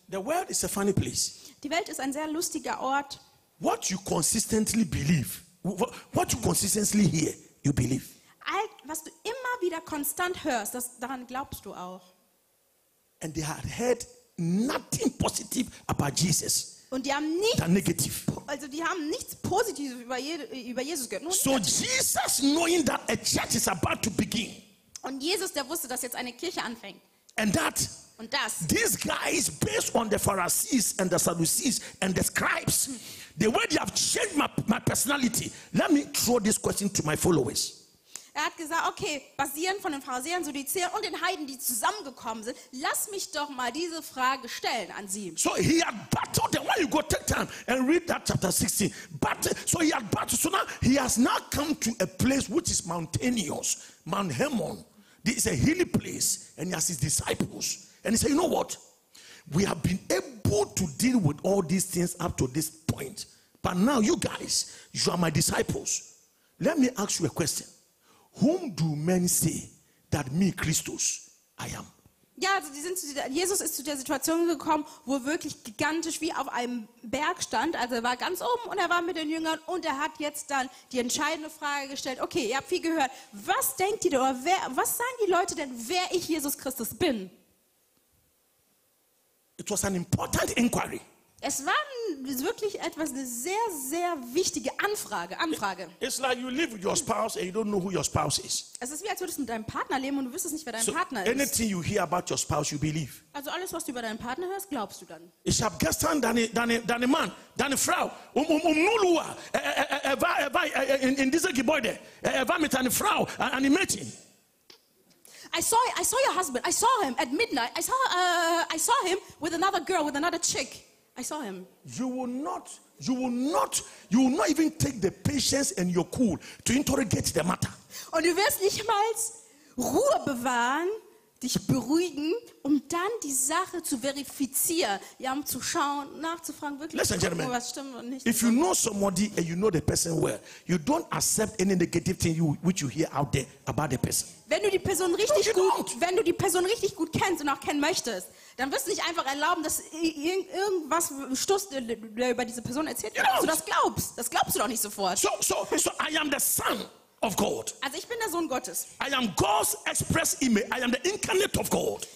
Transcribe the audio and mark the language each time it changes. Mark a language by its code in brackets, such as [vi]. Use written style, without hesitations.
[en] The world is a funny place. [de] Die Welt ist ein sehr lustiger Ort. [en] What you consistently believe, what you consistently hear, you believe. [de] Was du immer wieder konstant hörst, daran glaubst du auch. [en] And they had heard nothing positive about Jesus. [de] Und die haben nichts, [en] negative. [de] Also die haben nichts Positives über Jesus gehört. Nur [en] so Jesus, knowing that a church is about to begin. [de] Und Jesus, der wusste, dass jetzt eine Kirche anfängt. [en] And that. [de] Und das. [en] These guys, based on the Pharisees and the Sadducees and the scribes, the way they have changed my personality. Let me throw this question to my followers. [de] Er hat gesagt, okay, basierend von den Pharisäern, Sadduzäern und den Heiden, die zusammengekommen sind, lass mich doch mal diese Frage stellen an sie. [en] So he had battled them. Why you go take time and read that chapter 16. But so he had battled. So now he has now come to a place which is mountainous. Mount Hermon. This is a hilly place. And he has his disciples. And he said, you know what? We have been able to deal with all these things up to this point. But now you guys, you are my disciples. Let me ask you a question. Whom do men say that me, Christus, I am? [de] Ja, also die sind zu dieser, Jesus ist zu der Situation gekommen, wo er wirklich gigantisch wie auf einem Berg stand. Also er war ganz oben und er war mit den Jüngern und er hat jetzt dann die entscheidende Frage gestellt. Okay, ihr habt viel gehört. Was denkt ihr oder wer, was sagen die Leute denn, wer ich Jesus Christus bin? [en] It was an important inquiry. [de] Es war wirklich etwas, eine sehr, sehr wichtige Anfrage. [en] It's like you live with your spouse and you don't know who your spouse is. [de] Es ist wie, als würdest du mit deinem Partner leben und du wüsstest nicht, wer dein Partner ist. [en] Anything you hear about your spouse, you believe. [de] Also alles, was du über deinen Partner hörst, glaubst du dann. Ich habe gestern deine Mann, deine Frau, null Uhr, er war in diesem Gebäude, er war mit deiner Frau, an dem Mädchen. [en] I saw your husband. I saw him at midnight. I saw him with another girl, with another chick. I saw him. You will not even take the patience and your cool to interrogate the matter. [de] Und du wirst nicht mal Ruhe bewahren, dich beruhigen, um dann die Sache zu verifizieren, ja, um zu schauen, nachzufragen, wirklich. [en] Listen, gentlemen, [de] was stimmt und nicht. [en] If you know somebody and you know the person well, you don't accept any negative thing which you hear out there about the person. [de] Wenn du die Person richtig gut kennst und auch kennen möchtest, dann wirst du nicht einfach erlauben, dass irgendwas Stuss über diese Person erzählt wird. Du das glaubst. Das glaubst du doch nicht sofort. [en] So I am the son of God. [de] Also ich bin der Sohn Gottes. [en] I am God's express image. I am the incarnate of God.